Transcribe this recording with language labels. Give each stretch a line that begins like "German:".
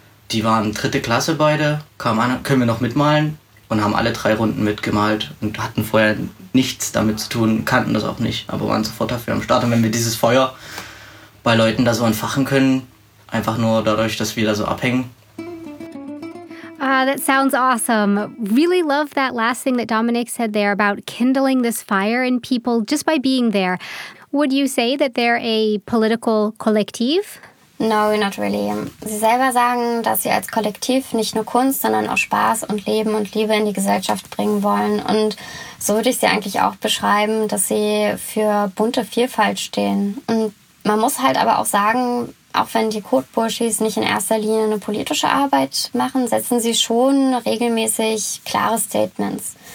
German: Die waren dritte Klasse beide, kamen an, können wir noch mitmalen, und haben alle drei Runden mitgemalt und hatten vorher nichts damit zu tun, kannten das auch nicht, aber waren sofort dafür am Start. Und wenn wir dieses Feuer bei Leuten da so entfachen können, einfach nur dadurch, dass wir da so abhängen.
English: Ah, that sounds awesome. Really love that last thing that Dominic said there about kindling this fire in people just by being there. Would you say that they're a political kollektiv? No, not really.
German: Sie selber sagen, dass sie als Kollektiv nicht nur Kunst, sondern auch Spaß und Leben und Liebe in die Gesellschaft bringen wollen. Und so würde ich sie eigentlich auch beschreiben, dass sie für bunte Vielfalt stehen. Und man muss halt aber auch sagen, auch wenn die Code-Burschis nicht in erster Linie eine politische Arbeit machen, setzen sie schon regelmäßig klare Statements.